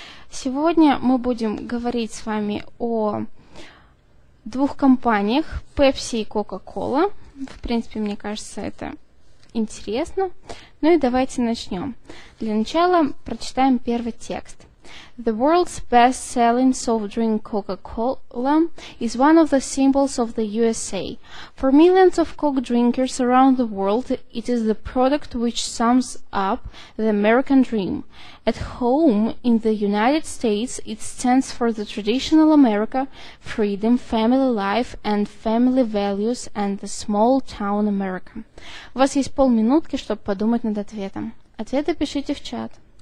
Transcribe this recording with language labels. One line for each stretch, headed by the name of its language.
Russian: Сегодня мы будем говорить с вами о двух компаниях Pepsi и Coca-Cola. В принципе, мне кажется, это интересно. Ну и давайте начнем. Для начала прочитаем первый текст.
English: The world's best-selling soft drink Coca-Cola is one of the symbols of the USA. For millions of Coke drinkers around the world, it is the product which sums up the American dream. At home, in the United States, it stands for the traditional America, freedom, family life and family values, and the small-town America.
Russian: У вас есть полминутки, чтобы подумать над ответом. Ответы пишите в чат.